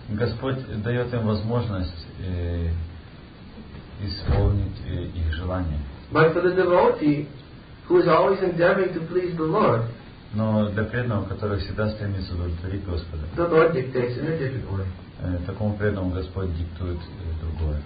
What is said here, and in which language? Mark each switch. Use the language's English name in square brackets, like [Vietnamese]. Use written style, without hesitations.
[Russian] Господь дает им возможность исполнить их желания. [English] But for the devotee who is always endeavoring to please the Lord, [Russian] но для преданного, который всегда стремится удовлетворить Господа, [English] the Lord dictates in a different way. [Russian] Такому преданному Господь диктует другое.